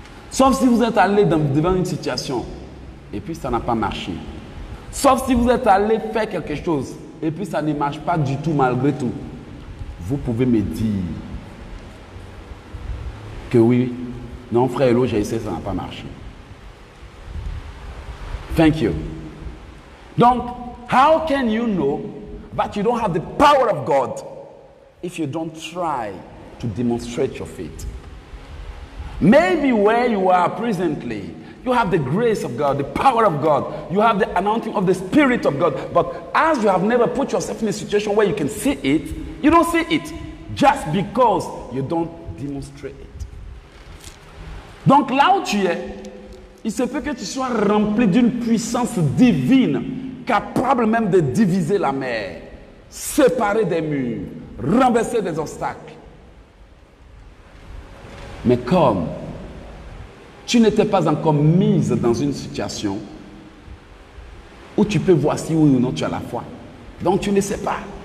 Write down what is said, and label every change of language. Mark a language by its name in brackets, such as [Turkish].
[French] Sauf si vous êtes allé devant une situation et puis ça n'a pas marché. Sauf si vous êtes allé faire quelque chose et puis ça ne marche pas du tout malgré tout. Vous pouvez me dire que oui, non frère Elo, j'ai essayé, ça n'a pas marché. [English] Thank you. Donc, how can you know that you don't have the power of God if you don't try to demonstrate your faith? Maybe where you are presently, you have the grace of God, the power of God, you have the anointing of the Spirit of God, but as you have never put yourself in a situation where you can see it, you don't see it just because you don't demonstrate it. [French] Donc là où tu es, il se peut que tu sois rempli d'une puissance divine capable même de diviser la mer, séparer des murs, renverser des obstacles. Mais comme tu n'étais pas encore mise dans une situation où tu peux voir si oui ou non tu as la foi, donc tu ne sais pas.